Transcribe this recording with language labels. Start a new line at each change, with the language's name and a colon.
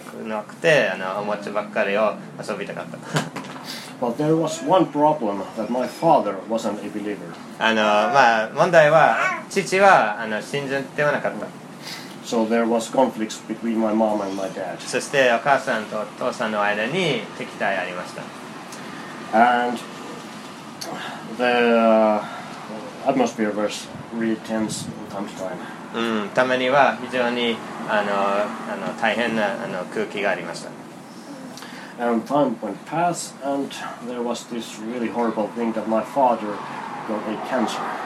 Japanese: まあ、僕はよくわんぱくな子供で、あんまりその話を聞きたくなくて、おもちゃばっかりを遊びたかった。
English: But there was one problem that my father wasn't a believer.
Japanese: まあ問題は父は信じてはなかった。
English: So there was conflicts between my mom and my dad.
Japanese: そしてお母さんとお父さんの間に敵対ありました。
English: And the atmosphere was really tense sometimes.
Japanese: たまには非常に大変な空気がありました。
English: And time went past, and there was this really horrible thing that my father got a cancer.